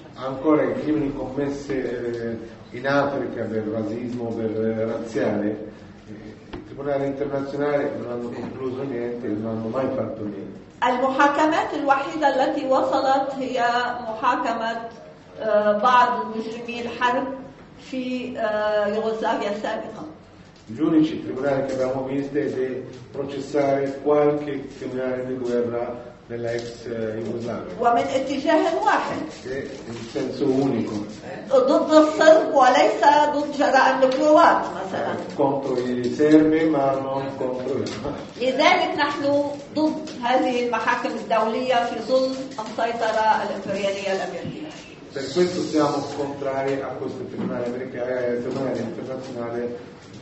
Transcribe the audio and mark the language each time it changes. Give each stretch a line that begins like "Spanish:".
Italian: Ancora i crimini commessi in Africa per razzismo, per razziale, il tribunale internazionale non hanno concluso niente, non hanno mai fatto niente.
Arabic: المحاكمات الوحيدة التي وصلت هي محاكمة بعض مجرمي الحرب في يوغوسلافيا السابقة.
Italian: Gli unici tribunali che abbiamo visto è di processare qualche criminale di guerra nella ex Jugoslavia.
Arabic: ومن اتجاه واحد.
Italian: In senso unico.
Arabic: ضد الصرب وليس ضد جرائم الكروات مثلا.
Italian: Contro i serbi ma non contro.
Arabic: لذلك نحن ضد هذه المحاكم الدولية في ظل السيطرة الإمبريالية الأمريكية.
Italian: Per questo siamo contrari a questo tribunale americano e al tribunale internazionale.